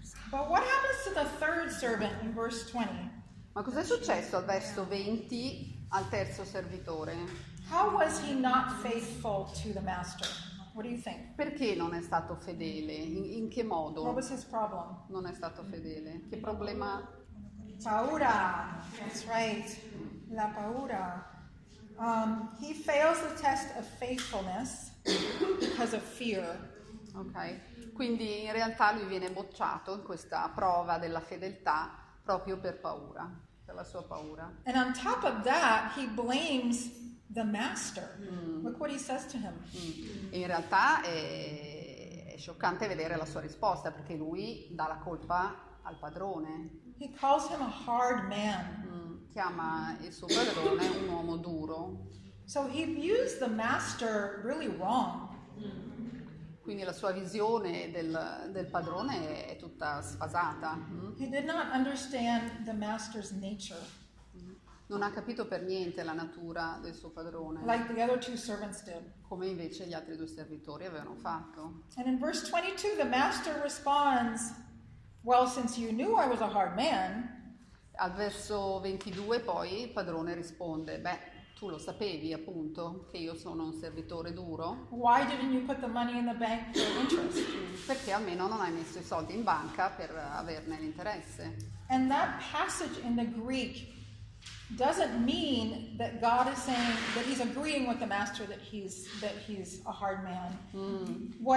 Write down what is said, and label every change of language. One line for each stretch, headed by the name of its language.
English: But what happens to the third servant in verse 20?
Italian: Ma cos'è successo al verso 20 al terzo servitore?
English: How was he not faithful to the master? What do you think?
Italian: Perché non è stato fedele? In che modo?
English: What was his problem?
Italian: Non è stato fedele. Che problema? Paura.
English: That's right.
Italian: La paura.
English: He fails the test of faithfulness because of fear. Ok.
Italian: Quindi in realtà lui viene bocciato in questa prova della fedeltà proprio per paura, per la sua paura.
English: And on top of that, he blames the master. Look what he says to him.
Italian: In realtà è scioccante vedere la sua risposta, perché lui dà la colpa al padrone.
English: He calls him a hard man.
Italian: Chiama il suo padrone un uomo duro.
English: So he views the master really wrong.
Italian: Quindi la sua visione del padrone è tutta sfasata.
English: He did not understand the master's nature.
Italian: Non ha capito per niente la natura del suo padrone.
English: Like the other two servants did.
Italian: Come invece gli altri due servitori avevano fatto.
English: And in verse 22 the master responds, well, since you knew I was a hard man.
Italian: Al verso 22 poi il padrone risponde, beh, tu lo sapevi appunto che io sono un servitore duro.
English: Why didn't you put the money in the bank for interest?
Italian: Perché almeno non hai messo i soldi in banca per averne l'interesse.
English: And that passage in the Greek doesn't mean that God is saying that he's agreeing with the master that he's a hard man.